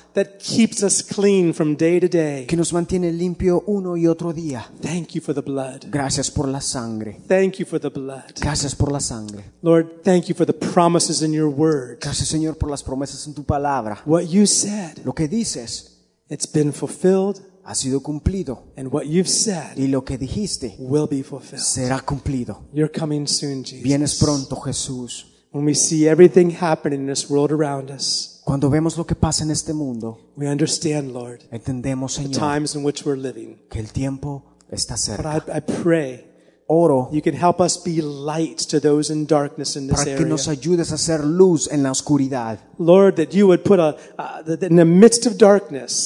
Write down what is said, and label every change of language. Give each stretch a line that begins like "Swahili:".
English: That keeps us clean from day to day.
Spanish: Que nos mantiene limpio uno y otro día.
English: Thank you for the blood.
Spanish: Gracias por la sangre.
English: Thank you for the blood.
Spanish: Gracias por la sangre.
English: Lord, thank you for the promises in your word.
Spanish: Gracias, Señor, por las promesas en tu palabra.
English: What you said.
Spanish: Lo que dices.
English: It's been fulfilled.
Spanish: Ha sido cumplido.
English: And what you've said.
Spanish: Y lo que dijiste.
English: Will be fulfilled.
Spanish: Será cumplido.
English: You're coming soon, Jesus.
Spanish: Vienes pronto, Jesús.
English: When we see everything happening in this world around us.
Spanish: Cuando vemos lo que pasa en este mundo,
English: we understand, Lord,
Spanish: entendemos, Señor,
English: the times in which we're living.
Spanish: Que el tiempo está cerca.
English: But I pray,
Spanish: oro,
English: you can help us be light to those in darkness in this
Spanish: para
English: area.
Spanish: Que nos ayudes a ser luz en la oscuridad.
English: Lord, that you would put in the midst of darkness,